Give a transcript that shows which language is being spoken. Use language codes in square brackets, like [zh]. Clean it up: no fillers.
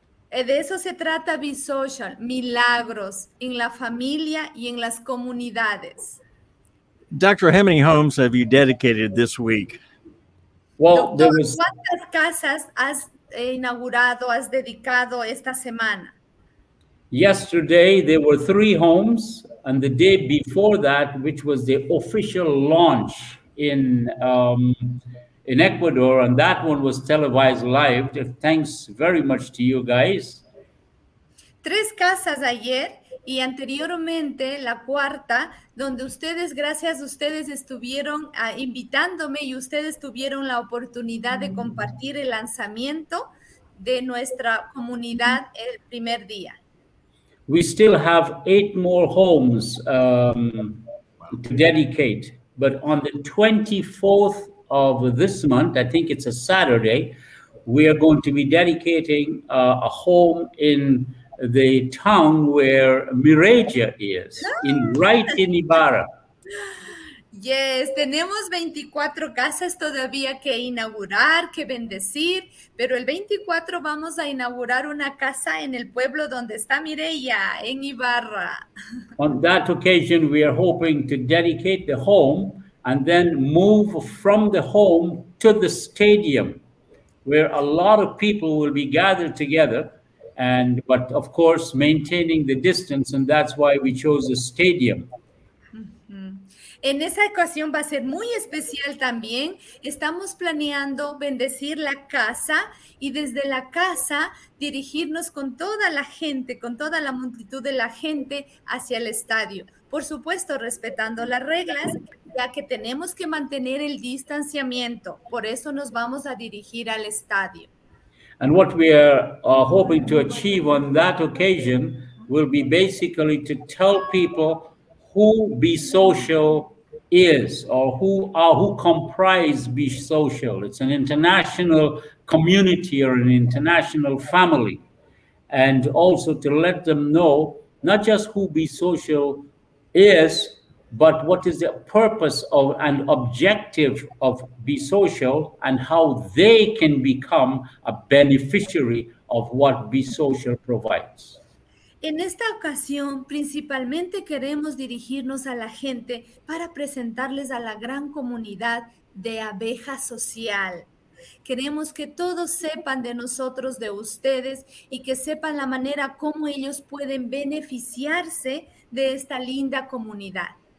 [es] De eso se trata Be Social, milagros en la familia y en las comunidades. [en] Doctor, how many homes have you dedicated this week? [es] Well, ¿cuántas casas has inaugurado, has dedicado esta semana? [en] Yesterday, there were 3 homes. And the day before that, which was the official launch in Ecuador, and that one was televised live. Thanks very much to you guys. [es] 3 casas ayer y anteriormente la cuarta, donde ustedes, gracias a ustedes, estuvieron invitándome y ustedes tuvieron la oportunidad de compartir el lanzamiento de nuestra comunidad el primer día. [en] We still have 8 more homes to dedicate, but on the 24th of this month, I think it's a Saturday, we are going to be dedicating a home in the town where Mireya is, in Ibarra. [es] Yes, tenemos 24 casas todavía que inaugurar, que bendecir, pero el 24 vamos a inaugurar una casa en el pueblo donde está Mireya, en Ibarra. [en] On that occasion, we are hoping to dedicate the home and then move from the home to the stadium, where a lot of people will be gathered together, but of course, maintaining the distance, and that's why we chose the stadium. [es] En esa ocasión va a ser muy especial también. Estamos planeando bendecir la casa y desde la casa dirigirnos con toda la gente, con toda la multitud de la gente hacia el estadio. Por supuesto, respetando las reglas, ya que tenemos que mantener el distanciamiento. Por eso nos vamos a dirigir al estadio. [en] And what we are hoping to achieve on that occasion will be basically to tell people who Be Social is, or who comprise Be Social. It's an international community or an international family. And also to let them know, not just who Be Social is, but what is the purpose of and objective of Be Social and how they can become a beneficiary of what Be Social provides. [es] En esta ocasión, principalmente queremos dirigirnos a la gente para presentarles a la gran comunidad de Abeja Social. Queremos que todos sepan de nosotros, de ustedes, y que sepan la manera como ellos pueden beneficiarse de esta linda comunidad.